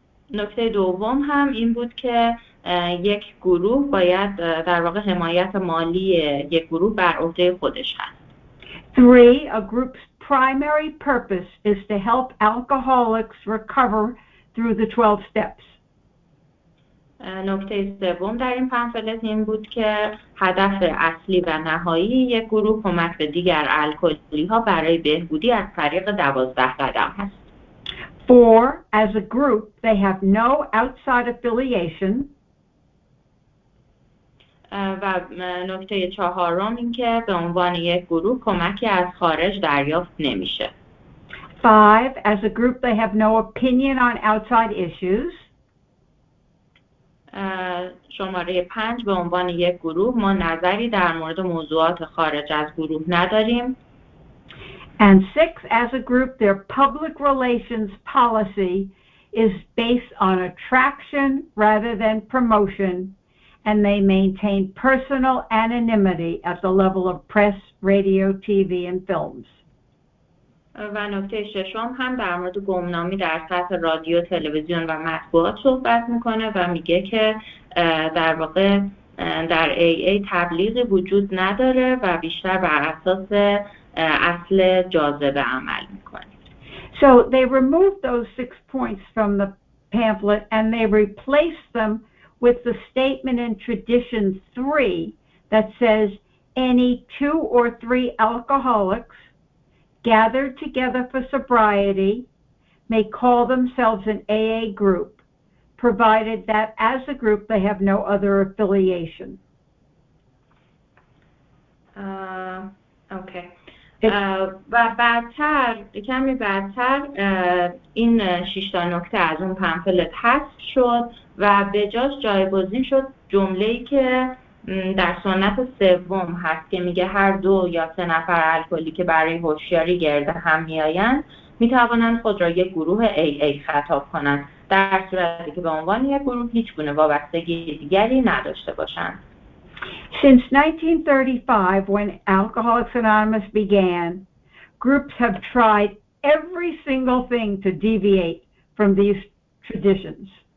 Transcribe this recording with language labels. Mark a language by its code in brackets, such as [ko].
[fa] نکته دوم هم این بود که یک گروه باید در واقع حمایت مالی یک گروه بر عهده خودش هست. [en] 3. A group's primary purpose is to help alcoholics recover through the 12 steps. [fa] نکته سوم در این پنفلت این بود که هدف اصلی و نهایی یک گروه کمک به دیگر الکلی ها برای بهبودی از طریق 12 قدم هست. [en] Four, as a group, they have no outside affiliation. [fa] و نکته چهارم این که به عنوان یک گروه کمکی از خارج دریافت نمیشه. [en] Five, as a group, they have no opinion on outside issues. [fa] شماره پنج به عنوان یک گروه ما نظری در مورد موضوعات خارج از گروه نداریم. [en] And six, as a group, their public relations policy is based on attraction rather than promotion, and they maintain personal anonymity at the level of press, radio, TV, and films. [fa] و نکته ششم هم در مورد گمنامی در سطح رادیو، تلویزیون و مطبوعات صحبت میکنه و میگه که در واقع در AA تبلیغی وجود نداره و بیشتر بر اساس اصل جاذبه عمل میکنه. [en] So they removed those six points from the pamphlet and they replaced them with the statement in tradition three that says any two or three alcoholics gathered together for sobriety may call themselves an AA group, provided that as a group they have no other affiliation. Okay. [fa] و بعدتر کمی بعدتر این شش تا نکته از اون پمفلت حذف شد و به جاش جایگزین شد جمله‌ای که در سنت سوم هست که میگه هر دو یا سه نفر الکلی که برای هوشیاری گرده هم میآیند میتوانند خود را یک گروه AA خطاب کنند، در صورتی که به عنوان یک گروه هیچ گونه وابستگی دیگری نداشته باشند. [en] Since 1935, when Alcoholics Anonymous began, groups have tried every single thing to deviate from these traditions.